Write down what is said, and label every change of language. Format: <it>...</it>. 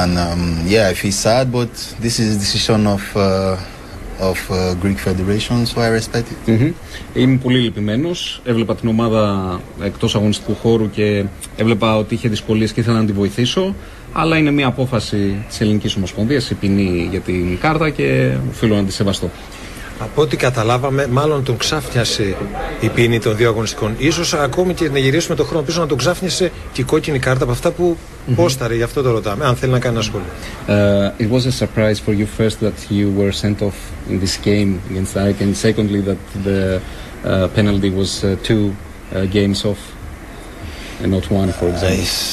<en>And I feel sad, but this is a decision of Greek Federation, so I respect it.</en> <el>Mm-hmm. Είμαι πολύ λυπημένος. Έβλεπα την ομάδα εκτός αγωνιστικού χώρου και έβλεπα ότι είχε δυσκολίες και ήθελα να την βοηθήσω. Αλλά είναι μια απόφαση της Ελληνικής Ομοσπονδίας, η ποινή για την κάρτα και οφείλω να τη σεβαστώ. Από ό,τι καταλάβαμε, μάλλον τον ξάφνιασε η ποινή των δύο αγωνιστικών. Ίσως ακόμη και να γυρίσουμε το χρόνο πίσω να τον ξάφνιασε και η κόκκινη κάρτα από αυτά που πόσταρε. Γι' αυτό το ρωτάμε, αν θέλει να κάνει ένα σχόλιο.</el> <en>It was a surprise for you first that you were sent off in this game against Ike and secondly that the penalty was two games off and not one, for example.</en>